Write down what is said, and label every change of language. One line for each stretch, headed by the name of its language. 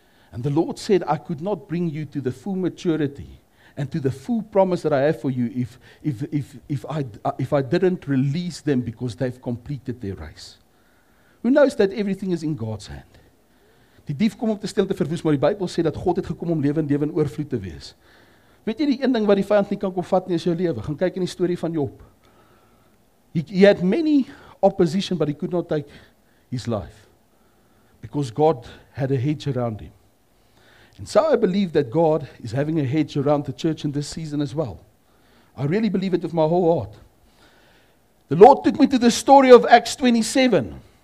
English: And the Lord said, I could not bring you to the full maturity and to the full promise that I have for you if I didn't release them because they've completed their race. Who knows that everything is in God's hand?
Afrikaans: Die dief kom om te steel, te verwoes, maar die Bybel sê dat God het gekom om lewe en lewe in oorvloed te wees. Weet jy die een ding wat die vyand nie kan kom vat nie is jou lewe? Gaan kyk in die story van Job.
English: He had many opposition, but he could not take his life because God had a hedge around him. And so I believe that God is having a hedge around the church in this season as well. I really believe it with my whole heart. The Lord took me to the story of Acts 27.